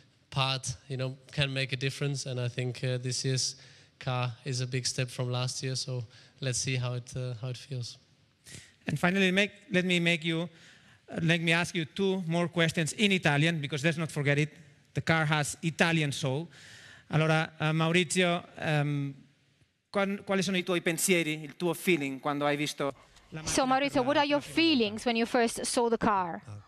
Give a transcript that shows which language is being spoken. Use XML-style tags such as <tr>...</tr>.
<en>part, you know, can make a difference. And I think this year's car is a big step from last year. So let's see how it feels. And finally, let me ask you two more questions in Italian, because let's not forget it. The car has Italian soul.</en> <it>Allora, Maurizio, quali sono I tuoi pensieri, il tuo feeling quando hai visto?</it> <en>So Maurizio, what are your feelings when you first saw the car?</en>